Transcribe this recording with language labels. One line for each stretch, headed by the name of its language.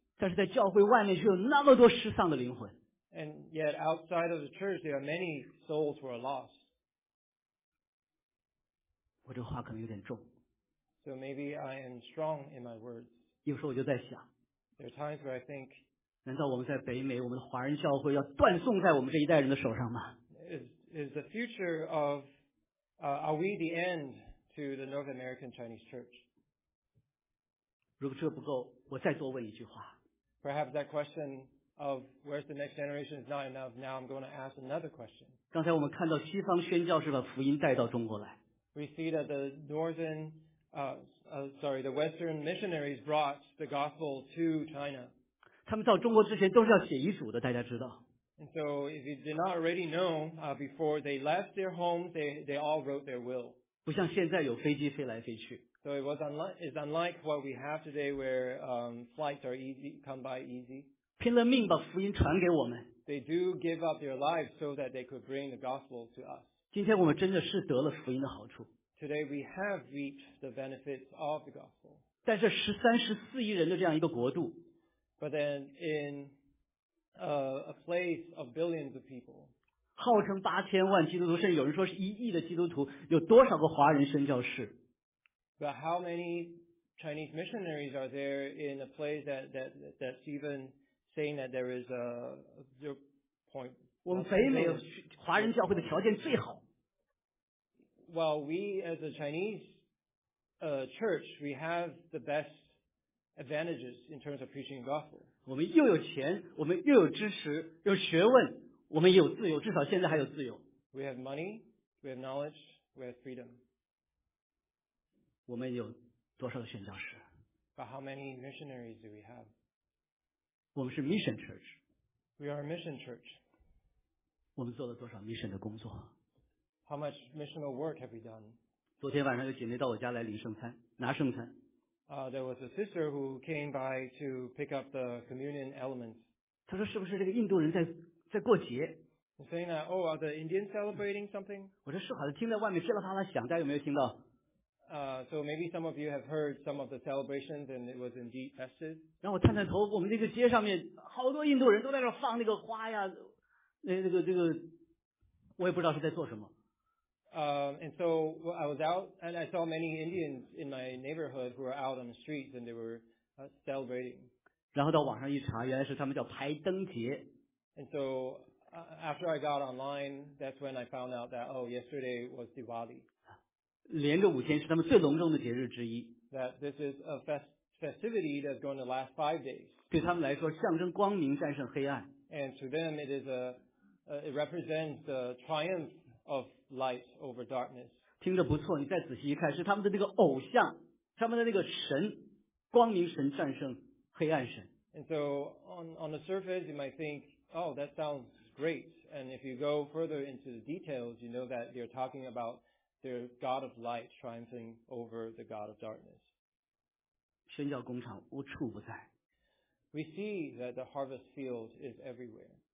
Chinese: 但是在教会外面却有那么多失丧的灵魂。
English: And yet outside of the church, there are many souls who are lost.
Chinese: 我这话可能有点重。
English: So maybe I am strong in my words.
Chinese: 有时候我就在想。
English: There are times where I think.
Chinese: 难道我们在北美，我们的华人教会要断送在我们这一代人的手上吗？
English: Is the future of are we the end to the North American Chinese Church?
Chinese: 如果这不够，我再多问一句话。
English: Perhaps that question of where's the next generation is not enough. Now I'm going to ask another question.
Chinese: 刚才我们看到西方宣教士把福音带到中国来。
English: We see that the Western missionaries brought the gospel to China.
Chinese: 他们到中国之前都是要写遗嘱的，大家知道。
English: And so if you did not already know, before they left their homes, they all wrote their will.
Chinese: 不像现在有飞机飞来飞去。
English: So it was unlike what we have today, where flights are easy, come by easy.
Chinese: 拼了命把福音传给我们。
English: They do give up their lives so that they could bring the gospel to us.
Chinese: 今天我们真的是得了福音的好处。
English: Today we have reaped the benefits of the gospel.
Chinese: 在这十三、十四亿人的这样一个国度。
English: But then in a place of billions of people.
Chinese: 号称八千万基督徒，甚至有人说是一亿的基督徒，有多少个华人宣教士？
English: But how many Chinese missionaries are there in a place that's even saying that there is a zero point?
Chinese: 我们北美华人教会的条件最好。
English: Well, we as a Chinese church, we have the best advantages in terms of preaching the gospel.
Chinese: 我们又有钱，我们又有知识，有学问，我们有自由，至少现在还有自由。
English: We have money, we have knowledge, we have freedom.
Chinese: 我们有多少个宣教士？
English: But how many missionaries do we have?
Chinese: 我们是
English: mission church. We are a mission church.
Chinese: 我们做了多少 mission 的工作？
English: How much missional work have we done?
Chinese: 昨天晚上有姐妹到我家来领圣餐，拿圣餐。
English: There was a sister who came by to pick up the communion elements.
Chinese: 她说是不是这个印度人在过节？
English: Saying that, oh, are the Indians celebrating something?
Chinese: 我说是，好像听在外面噼里啪啦响，大家有没有听到？
English: So maybe some of you have heard some of the celebrations and it was indeed festive.
Chinese: 然后我探探头，我们那个街上面好多印度人都在那放那个花呀，那个，我也不知道是在做什么。
English: And so I was out and I saw many Indians in my neighborhood who were out on the streets and they were celebrating.
Chinese: 然后到网上一查，原来是他们叫排灯节。
English: And so after I got online, that's when I found out that, oh, yesterday was Diwali.
Chinese: 连着五天是他们最隆重的节日之一。
English: That this is a festivity that's going to last 5 days.
Chinese: 对他们来说，象征光明战胜黑暗。
English: And to them, it is it represents the triumph of light over darkness.
Chinese: 听着不错，你再仔细一看，是他们的那个偶像，他们的那个神，光明神战胜黑暗神。
English: And so on the surface, you might think, oh, that sounds great. And if you go further into the details, you know that they're talking about their God of light triumphing over the God of darkness.
Chinese: 宣教工厂无处不在。
English: We see that the harvest field is everywhere.